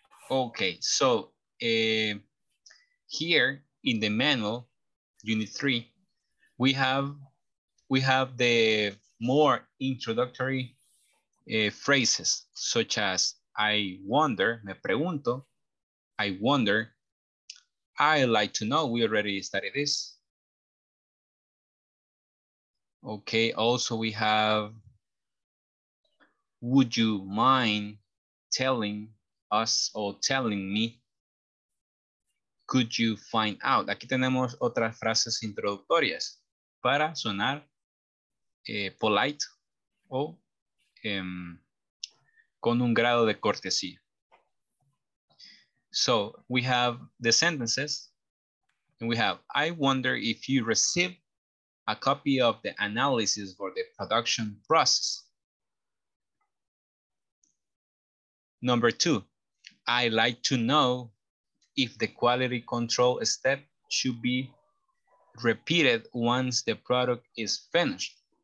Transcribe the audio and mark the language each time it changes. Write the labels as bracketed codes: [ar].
[en] Okay, so here in the manual, unit 3, we have the more introductory phrases, such as, I wonder, me pregunto, I wonder, I like to know, we already studied this. Okay, also we have, would you mind telling us or telling me, could you find out? [es] Aquí tenemos otras frases introductorias para sonar polite o con un grado de cortesía. [en] So we have the sentences, and we have, I wonder if you receive a copy of the analysis for the production process. Number two, I like to know if the quality control step should be repeated once the product is finished.